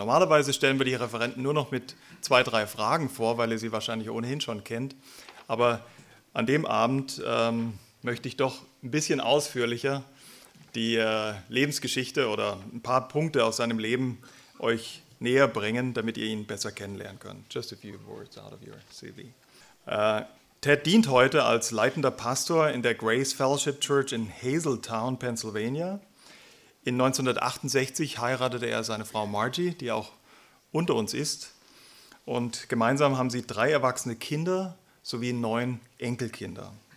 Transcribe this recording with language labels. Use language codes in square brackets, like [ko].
[de] Normalerweise stellen wir die Referenten nur noch mit 2, 3 Fragen vor, weil ihr sie wahrscheinlich ohnehin schon kennt. Aber an dem Abend möchte ich doch ein bisschen ausführlicher die Lebensgeschichte oder ein paar Punkte aus seinem Leben euch näher bringen, damit ihr ihn besser kennenlernen könnt. [en] Just a few words out of your CV. [de] Ted dient heute als leitender Pastor in der Grace Fellowship Church in Hazeltown, Pennsylvania. In 1968 heiratete er seine Frau Margie, die auch unter uns ist. Und gemeinsam haben sie 3 erwachsene Kinder sowie 9 Enkelkinder.